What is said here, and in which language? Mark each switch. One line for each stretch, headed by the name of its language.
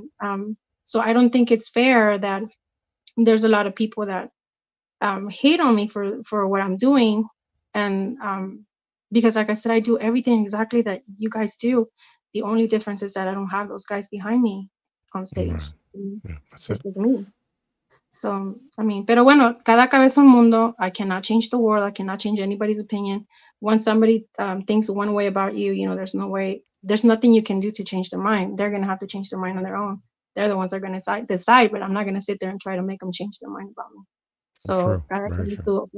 English: And so I don't think it's fair that there's a lot of people that hate on me for what I'm doing. And because like I said, I do everything exactly that you guys do. The only difference is that I don't have those guys behind me on stage. Yeah. That's just it. Like me. So, I mean,
Spanish: pero bueno, cada cabeza un mundo.
English: I cannot change the world. I cannot change anybody's opinion. Once somebody thinks one way about you, you know, there's nothing you can do to change their mind. They're going to have to change their mind on their own. They're the ones that are going to decide, but I'm not going to sit there and try to make them change their mind about me. So,